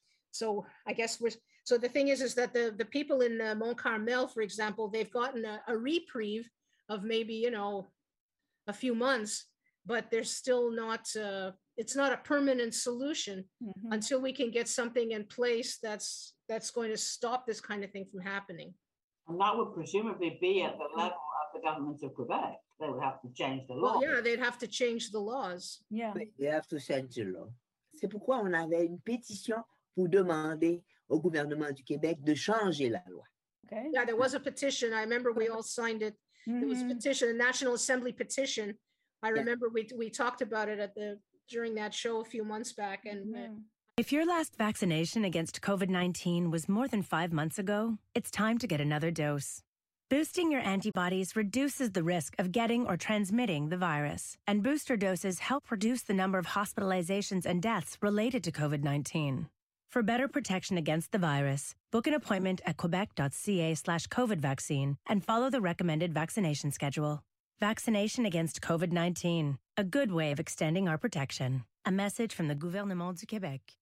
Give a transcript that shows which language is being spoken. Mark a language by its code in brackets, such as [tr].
[en] So I guess the thing is that the people in Mont-Carmel, for example, they've gotten a reprieve of maybe, you know, a few months, but they're still not, it's not a permanent solution until we can get something in place that's going to stop this kind of thing from happening. And that would presumably be at the level of the government of Quebec. They would have to change the law. Well, yeah, they'd have to change the laws. Yeah. They have to change the law. [fr] C'est pourquoi on avait une pétition pour demander au gouvernement du Québec de changer la loi. [en] Okay. Yeah, there was a petition. I remember we all signed it. Mm-hmm. It was a petition, a National Assembly petition, I remember we talked about it at the during that show a few months back. And if your last vaccination against COVID-19 was more than 5 months ago, it's time to get another dose. Boosting your antibodies reduces the risk of getting or transmitting the virus. And booster doses help reduce the number of hospitalizations and deaths related to COVID-19. For better protection against the virus, book an appointment at quebec.ca/COVID-vaccine and follow the recommended vaccination schedule. Vaccination against COVID-19, a good way of extending our protection. A message from the gouvernement du Québec.